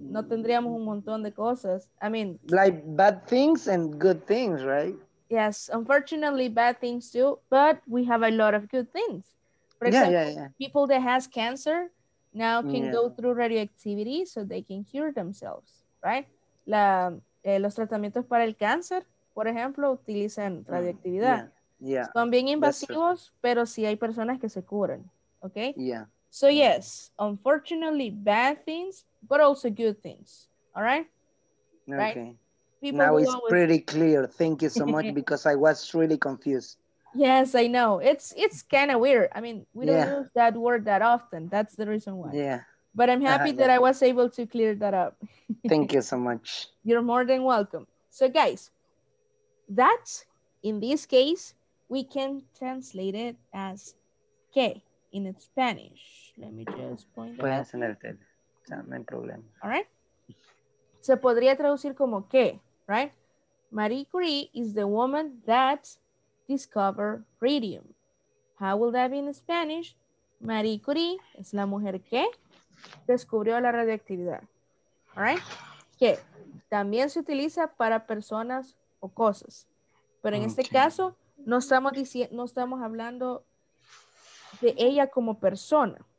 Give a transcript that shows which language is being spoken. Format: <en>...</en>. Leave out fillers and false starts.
<es>No tendríamos un montón de cosas.</es> <en>I mean... Like bad things and good things, right? Yes. Unfortunately, bad things too. But we have a lot of good things. For example, people that has cancer now can go through radioactivity so they can cure themselves, right?</en> <es>Los tratamientos para el cáncer, por ejemplo, utilizan radioactividad.</es> <en>Yeah.</en> <es>Son bien invasivos, pero sí hay personas que se curan, okay?</es> <en>Yeah. So yes, unfortunately, bad things, but also good things, all right? Okay. Right? Pretty clear. Thank you so much because I was really confused. Yes, I know. It's kind of weird. I mean, we don't use that word that often. That's the reason why. Yeah. But I'm happy that I was able to clear that up. Thank you so much. You're more than welcome. So guys, that in this case, we can translate it as que in Spanish. Let me just point it out.</en> <es>Puedes encenderte. No hay problema.</es> <en>All right.</en> <es>Se podría traducir como que, right?</es> <en>Marie Curie is the woman that discover radium. How will that be in Spanish?</en> <es>Marie Curie es la mujer que descubrió la radioactividad.</es> <en>All right?</en> <es>Que también se utiliza para personas o cosas. Pero en este caso, no estamos hablando de ella como persona.</es>